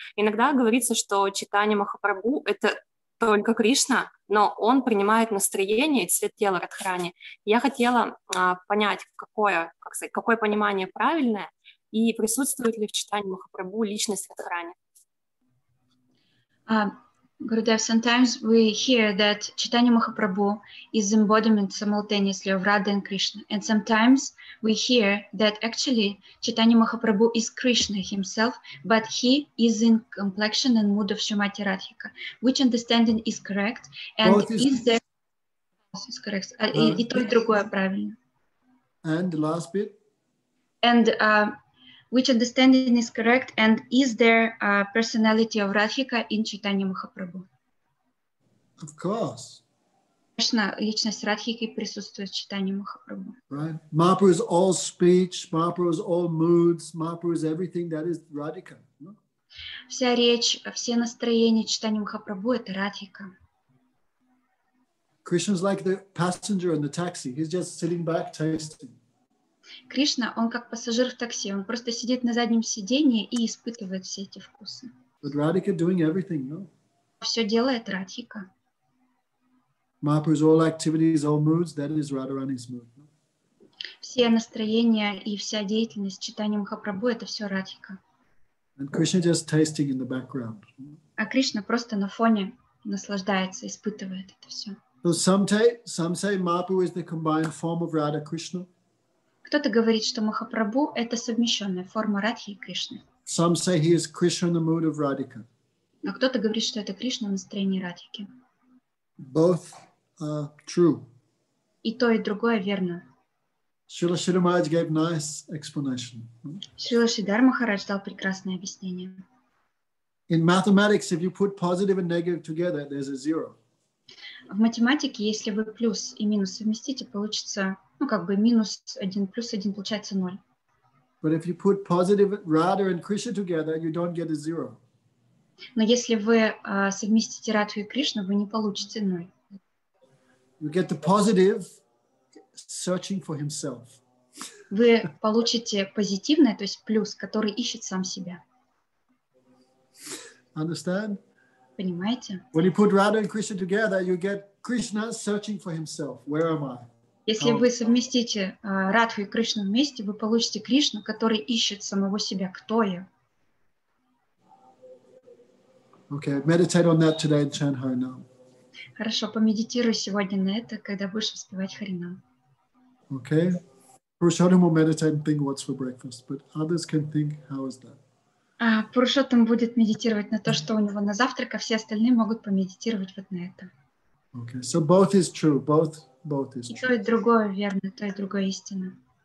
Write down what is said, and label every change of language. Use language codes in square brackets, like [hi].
[ru] Иногда говорится, что читание Махапрабху — это только Кришна, но он принимает настроение и цвет тела Радхарани. Я хотела понять, какое, как сказать, какое понимание правильное и присутствует ли в читании Махапрабху личность Радхарани. [en] Gurudev, sometimes we hear that Chaitanya Mahaprabhu is embodiment simultaneously of Radha and Krishna. And sometimes we hear that actually Chaitanya Mahaprabhu is Krishna himself, but he is in complexion and mood of Srimati Radhika. Which understanding is correct? And is correct. [ru] И то, и другое правильно. [en] And the last bit? And which understanding is correct, and is there a personality of Radhika in Chaitanya Mahaprabhu? Of course. [ru] Конечно, личность Радхики присутствует в Чайтанье Махапрабху. [en] Right. Mahaprabhu is all speech, Mahaprabhu is all moods, Mahaprabhu is everything that is Radhika. No? [ru] Вся речь, все настроения Чайтанья Махапрабху — это Радхика. [en] Krishna is like the passenger in the taxi. He's just sitting back tasting. [ru] Кришна, он как пассажир в такси, он просто сидит на заднем сиденье и испытывает все эти вкусы. [en] But Radhika doing everything, no? [ru] Все делает Радхика. [en] Mahaprabhu's all activities, all moods, that is Radharani's mood. No? [ru] Все настроения и вся деятельность Чайтанья Махапрабху — это все Радхика. [en] And Krishna just tasting in the background. [ru] А Кришна просто на фоне наслаждается, испытывает это все. [en] So some say Mahaprabhu is the combined form of Radha Krishna. [ru] Кто-то говорит, что Махапрабху — это совмещенная форма Радхи и Кришны. [en] Some say he is Krishna in the mood of Radhika. [ru] А кто-то говорит, что это Кришна в настроении Радхики. [en] Both are true. [ru] И то, и другое верно. [en] Srila Sridhar Maharaj gave nice explanation. [ru] Srila Sridhar Maharaj дал прекрасное объяснение. [en] In mathematics, if you put positive and negative together, there's a zero. [ru] В математике, если вы плюс и минус совместите, получится... Ну, как бы минус один, плюс один, получается ноль. [en] But if you put positive Radha and Krishna together, you don't get a zero. [ru] Но если вы совместите Радху и Кришну, вы не получите ноль. [en] You get the positive searching for himself. [ru] Вы получите позитивное, то есть плюс, который ищет сам себя. [en] Understand? [ru] Понимаете? [en] When you put Radha and Krishna together, you get Krishna searching for himself. Where am I? [ru] Если вы совместите Радху и Кришну вместе, вы получите Кришну, который ищет самого себя. Кто я? [en] Okay, meditate on that today and chant Harinam. [ru] Хорошо, помедитируй сегодня на это, когда будешь воспевать Харинам. [en] Okay. Purushottam will meditate and think what's for breakfast, but others can think, how is that? [ru] Пурушоттам будет медитировать на то, что у него на завтрак, а все остальные могут помедитировать вот на это. [en] Okay, so both is true. Both is true. [ru] И то, и другое верно, то, и другое истина.